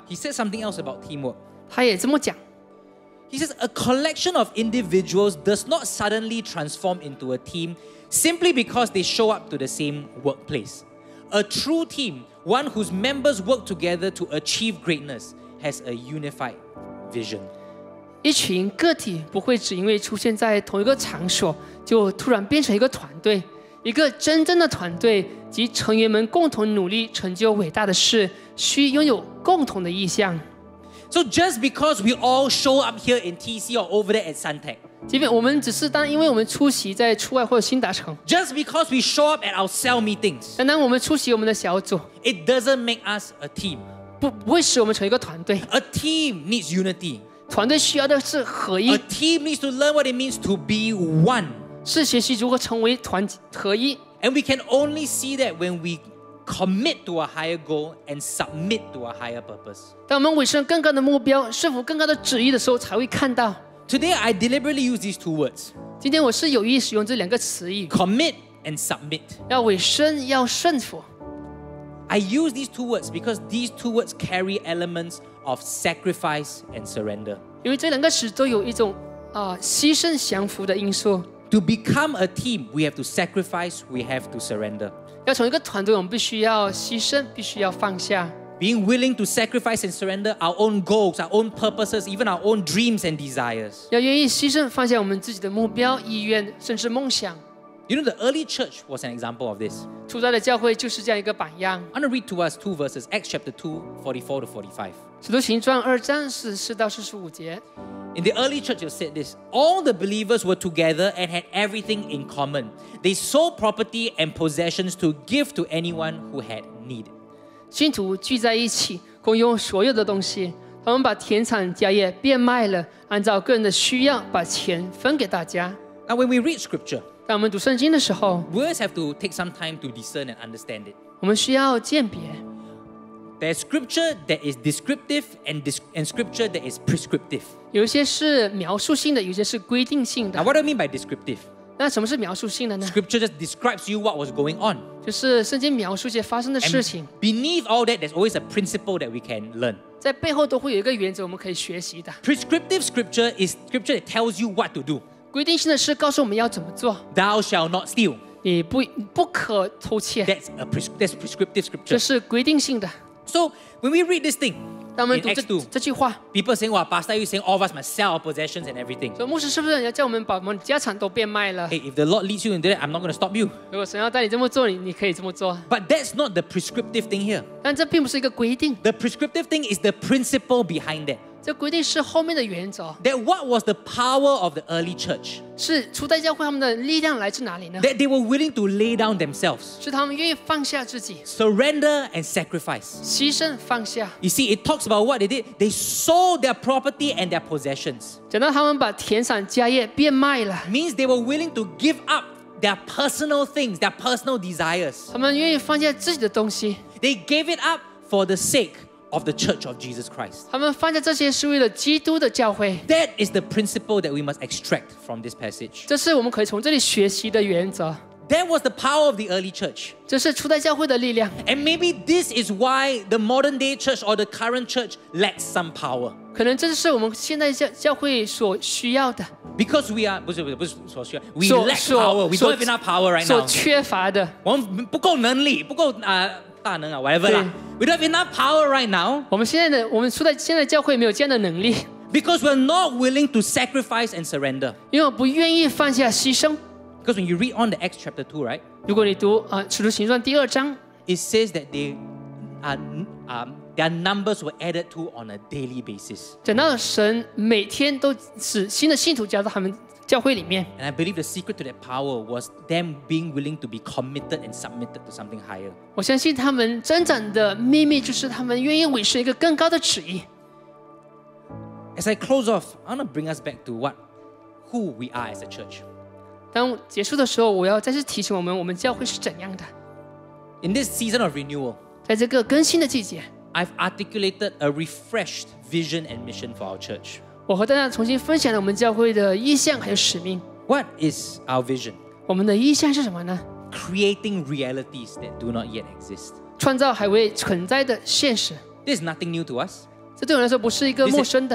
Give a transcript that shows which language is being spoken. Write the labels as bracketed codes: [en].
[en] He said something else about teamwork. [zh] 他也这么讲。 [en] He says a collection of individuals does not suddenly transform into a team simply because they show up to the same workplace. A true team. One whose members work together to achieve greatness has a unified vision. [zh] 一群个体不会只因为出现在同一个场所就突然变成一个团队。一个真正的团队及成员们共同努力成就伟大的事需拥有共同的意向。 [en] So just because we all show up here in TC or over there at Suntec, [zh] 即便我们只是当因为我们出席在出外或者新达成。 [en] Just because we show up at our cell meetings, [zh] 但当我们出席我们的小组。 [en] It doesn't make us a team. [zh] 不会使我们成一个团队。 [en] A team needs unity. [zh] 团队需要的是合一。 [en] A team needs to learn what it means to be one. [zh] 是学习如何成为团合一。 [en] And we can only see that when we commit to a higher goal and submit to a higher purpose. [zh] 当我们委身更高的目标，顺服更高的旨意的时候，才会看到。 [en] Today I deliberately use these two words. [zh] 今天我是有意使用这两个词语。 [en] Commit and submit. [zh] 要委身，要顺服。 [en] I use these two words because these two words carry elements of sacrifice and surrender. [zh] 因为这两个词都有一种牺牲降服的因素。 [en] To become a team, we have to sacrifice, we have to surrender. [zh] 要成为一个团队，我们必须要牺牲，必须要放下。 [en] Being willing to sacrifice and surrender our own goals, our own purposes, even our own dreams and desires. [zh] 要愿意牺牲，放下我们自己的目标、意愿，甚至梦想。 [en] You know, the early church was an example of this. [zh] 初代的教会就是这样一个榜样。 [en] I'm going to read to us two verses, Acts chapter 2, 44 to 45. [zh] 使徒行传二章四十到四十五节。 [en] In the early church, it said this, all the believers were together and had everything in common. They sold property and possessions to give to anyone who had need. [zh] 信徒聚在一起，共用所有的东西，他们把田产家业变卖了，按照个人的需要把钱分给大家。 [en] Now when we read scripture, [zh] 当我们读圣经的时候， [en] words have to take some time to discern and understand it. [zh] 我们需要鉴别。 [en] There's scripture that is descriptive and scripture that is prescriptive. [zh] 有些是描述性的，有些是规定性的。 [en] Now what do I mean by descriptive? [zh] 那什么是描述性的呢？ [en] Scripture just describes you what was going on. [zh] 就是圣经描述一些发生的事情。 [en] And beneath all that, there's always a principle that we can learn. [zh] 在背后都会有一个原则我们可以学习的。 [en] Prescriptive scripture is scripture that tells you what to do. [zh] 规定性的是告诉我们要怎么做。 [en] Thou shall not steal. [zh] 你 不可偷窃。 [en] That's prescriptive scripture. [zh] 这是规定性的。 [en] So when we read this thing, [zh] 当我们读 [en] in Acts 2, [zh] 这句话， [en] People saying, well, Pastor, you saying all of us must sell our possessions and everything. [zh] 所以牧师是不是要叫我们把我们家产都变卖了？ [en] Hey, if the Lord leads you into that, I'm not going to stop you. [zh] 如果神要带你这么做， 你可以这么做。 [en] But that's not the prescriptive thing here. [zh] 但这并不是一个规定。 [en] The prescriptive thing is the principle behind that. [zh] 这规定是后面的原则。 [en] That what was the power of the early church? [zh] 是初代教会他们的力量来自哪里呢？ [en] That they were willing to lay down themselves. [zh] 是他们愿意放下自己。 [en] Surrender and sacrifice. [zh] 牺牲放下。 [en] You see, it talks about what they did. They sold their property and their possessions. [zh] 讲到他们把田产家业变卖了。 [en] Means they were willing to give up their personal things, their personal desires. [zh] 他们愿意放下自己的东西。 [en] They gave it up for the sake of the Church of Jesus Christ. [zh] 他们放下这些是为了基督的教会。 [en] That is the principle that we must extract from this passage. [zh] 这是我们可以从这里学习的原则。 [en] That was the power of the early church. [zh] 这是初代教会的力量。 [en] And maybe this is why the modern day church or the current church lacks some power. [zh] 可能这是我们现在教会所需要的。 [en] Because we are, [zh] 不是所需要， [en] we lack power, we don't have enough power right now. [zh] 所缺乏的。我们不够能力，不够大能啊， whatever 啦。 [en] We don't have enough power right now. [zh] 我们现在的，我们出在现在教会没有这样的能力。 [en] Because we're not willing to sacrifice and surrender. [zh] 因为不愿意放下牺牲。 [en] Because when you read on the Acts chapter 2, right? [zh] 如果你读使徒行传第二章， [en] it says that they are, their numbers were added to on a daily basis. [zh] 讲到神每天都使新的信徒加入他们教会里面。 [en] And I believe the secret to that power was them being willing to be committed and submitted to something higher. [zh] 我相信他们增长的秘密就是他们愿意委身一个更高的旨意。 [en] As I close off, I want to bring us back to what, who we are as a church. [zh] 当结束的时候，我要再次提醒我们，我们教会是怎样的。 [en] In this season of renewal, [zh] 在这个更新的季节， [en] I've articulated a refreshed vision and mission for our church. [zh] 我和大家重新分享了我们教会的意向还有使命。 [en] What is our vision? [zh] 我们的意向是什么呢？ [en] Creating realities that do not yet exist. [zh] 创造还未存在的现实。 [en] This is nothing new to us. [zh] 这对我来说不是一个陌生的。